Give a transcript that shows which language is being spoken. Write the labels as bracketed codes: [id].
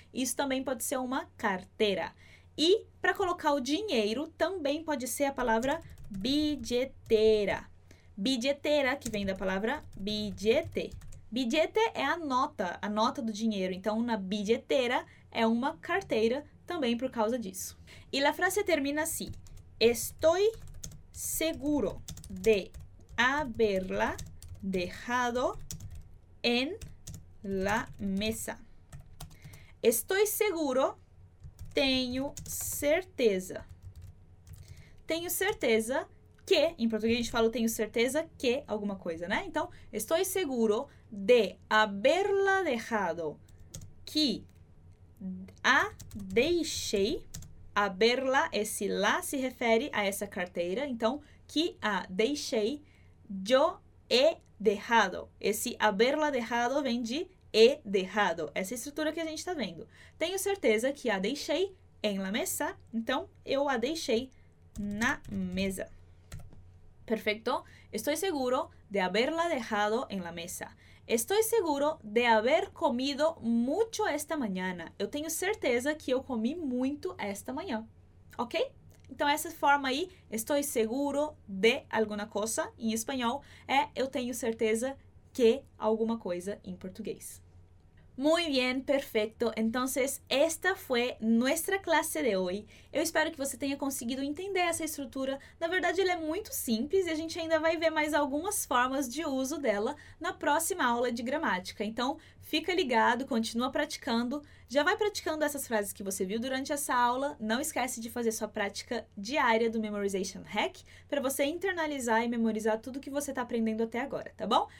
[pt] Isso também pode ser uma carteira. E, para colocar o dinheiro, também pode ser a palavra billetera. Billetera, que vem da palavra billete. Billete é a nota do dinheiro. Então, na billetera é uma carteira também por causa disso. E a frase termina assim. [es] Estoy seguro de haberla dejado en la mesa. Estoy seguro, [pt] tenho certeza. Tenho certeza que, em português a gente fala tenho certeza que alguma coisa, né? Então, [es] estoy seguro de haberla dejado, [pt] que a deixei. Haberla, esse lá se refere a essa carteira, então, que a deixei. [es] Yo he dejado. [pt] Esse haberla dejado vem de he dejado. Essa estrutura que a gente está vendo. Tenho certeza que a deixei [es] en la mesa. [pt] Então, eu a deixei na mesa. Perfeito? [es] Estoy seguro de haberla dejado en la mesa. Estoy seguro de haber comido mucho esta mañana. [pt] Eu tenho certeza que eu comi muito esta manhã. Ok? Então, essa forma aí, [es] estoy seguro de alguna cosa, [pt] em espanhol, é eu tenho certeza que alguma coisa em português. [es] Muy bien, perfecto. Entonces, esta fue nuestra clase de hoy. [pt] Eu espero que você tenha conseguido entender essa estrutura. Na verdade, ela é muito simples e a gente ainda vai ver mais algumas formas de uso dela na próxima aula de gramática. Então, fica ligado, continua praticando. Já vai praticando essas frases que você viu durante essa aula. Não esquece de fazer sua prática diária do Memorization Hack para você internalizar e memorizar tudo que você está aprendendo até agora, tá bom?